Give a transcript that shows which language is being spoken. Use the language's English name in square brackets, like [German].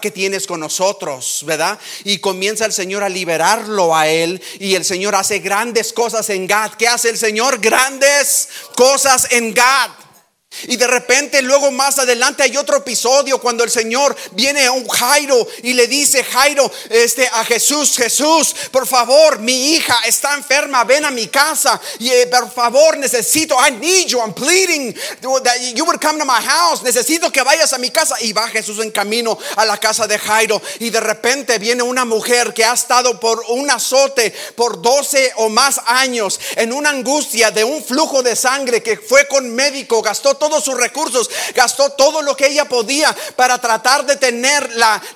[Spanish] ¿Qué tienes con nosotros, verdad? Y comienza el Señor a liberarlo a él, y el Señor hace grandes cosas en Gad. ¿Qué hace el Señor? Grandes cosas en Gad. Y de repente luego más adelante hay otro episodio cuando el Señor viene a un Jairo y le dice Jairo a Jesús: Jesús, por favor, mi hija está enferma, ven a mi casa. Y por favor, necesito, [English] I need you, I'm pleading that you would come to my house. [Spanish] Necesito que vayas a mi casa. Y va Jesús en camino a la casa de Jairo, y de repente viene una mujer que ha estado por un azote por 12 o más años, en una angustia de un flujo de sangre, que fue con médico, gastó todos sus recursos, gastó todo lo que ella podía para tratar de tener la